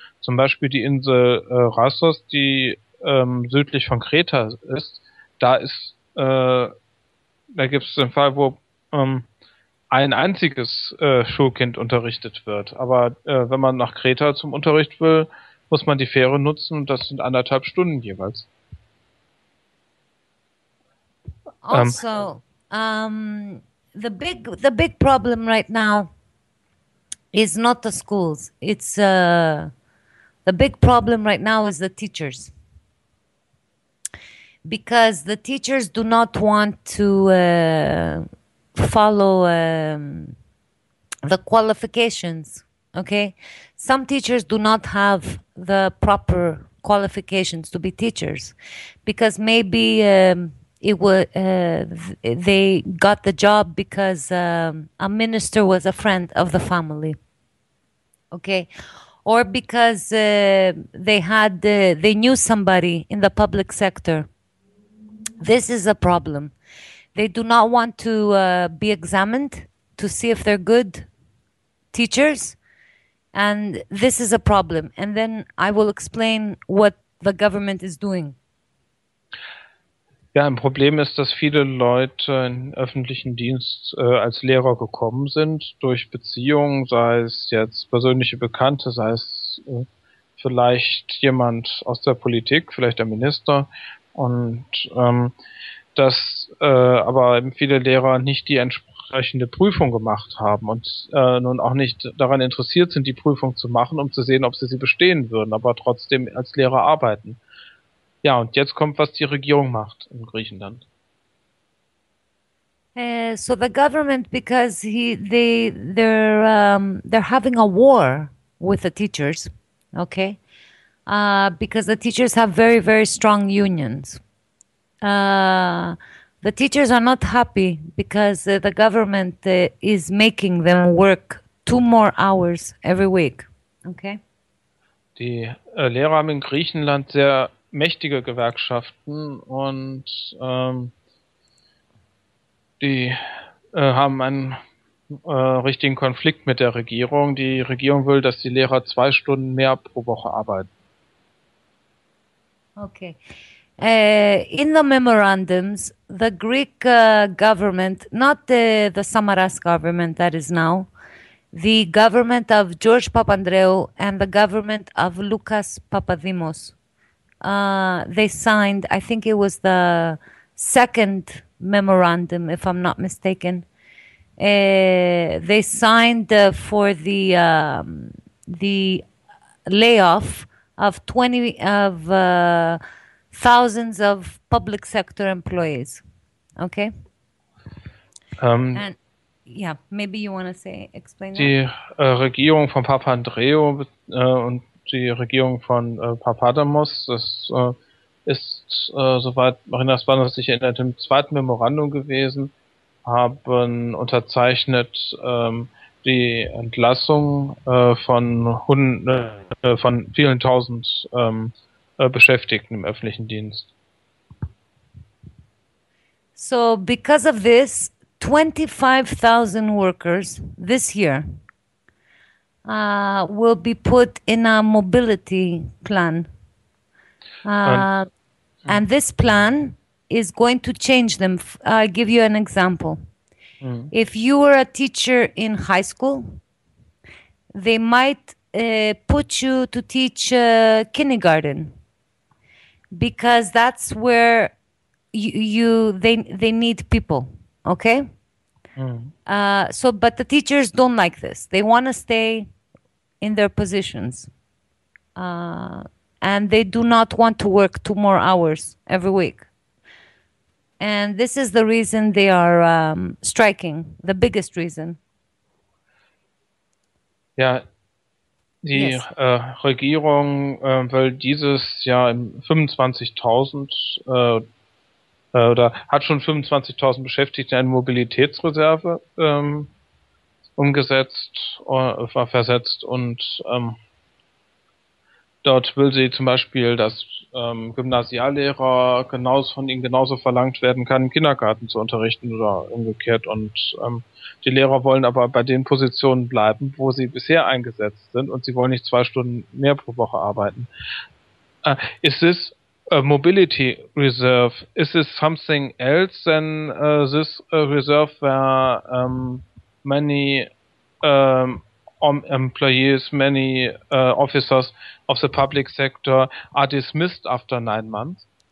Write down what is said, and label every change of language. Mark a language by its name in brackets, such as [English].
[German] Zum Beispiel die Insel Rassos, die südlich von Kreta ist. Da gibt es den Fall, wo ein einziges Schulkind unterrichtet wird. Aber wenn man nach Kreta zum Unterricht will, muss man die Fähre nutzen und das sind 1,5 Stunden jeweils. [English] Also, the big problem right now is not the schools. It's the big problem right now is the teachers, because the teachers do not want to follow the qualifications. Okay, some teachers do not have the proper qualifications to be teachers, because maybe it was they got the job because a minister was a friend of the family, okay, or because they knew somebody in the public sector. This is a problem. They do not want to be examined to see if they're good teachers, and this is a problem. And then I will explain what the government is doing. [German] Ja, ein Problem ist, dass viele Leute in öffentlichen Dienst als Lehrer gekommen sind, durch Beziehungen, sei es jetzt persönliche Bekannte, sei es vielleicht jemand aus der Politik, vielleicht der Minister, und dass aber eben viele Lehrer nicht die entsprechende Prüfung gemacht haben und nun auch nicht daran interessiert sind, die Prüfung zu machen, um zu sehen, ob sie sie bestehen würden, aber trotzdem als Lehrer arbeiten. Ja, und jetzt kommt, was die Regierung macht in Griechenland. [English] So the government, because they're having a war with the teachers, okay? Because the teachers have very, very strong unions. The teachers are not happy because the government is making them work 2 more hours every week, okay? [German] Die Lehrer haben in Griechenland sehr mächtige Gewerkschaften und die haben einen richtigen Konflikt mit der Regierung. Die Regierung will, dass die Lehrer 2 Stunden mehr pro Woche arbeiten. Okay. [English] In the memorandums, the Greek government, not the Samaras government that is now, the government of George Papandreou and the government of Lucas Papadimos. They signed, I think it was the second memorandum, if I'm not mistaken. They signed for the layoff of 20 of thousands of public sector employees. Okay. And yeah, maybe you want to say explain. [German] Die Regierung von Papandreou und die Regierung von Papadimos, das ist soweit Marina Spanner sich erinnert, im zweiten Memorandum gewesen, haben unterzeichnet die Entlassung von vielen tausend Beschäftigten im öffentlichen Dienst. [English] So because of this, 25,000 workers this year will be put in a mobility plan. And this plan is going to change them. I'll give you an example. If you were a teacher in high school, they might put you to teach kindergarten, because that's where they need people, okay? But the teachers don't like this. They want to stay in their positions. And they do not want to work two more hours every week. And this is the reason they are striking, the biggest reason. [German] Ja, die Regierung will dieses Jahr 25.000 oder hat schon 25.000 Beschäftigte in Mobilitätsreserve umgesetzt, versetzt und dort will sie zum Beispiel, dass Gymnasiallehrer genauso von ihnen genauso verlangt werden kann, im Kindergarten zu unterrichten oder umgekehrt. Und die Lehrer wollen aber bei den Positionen bleiben, wo sie bisher eingesetzt sind und sie wollen nicht 2 Stunden mehr pro Woche arbeiten. Ist es Mobility Reserve? Ist es [English] something else than this reserve where many employees, many officers of the public sector are dismissed after 9 months?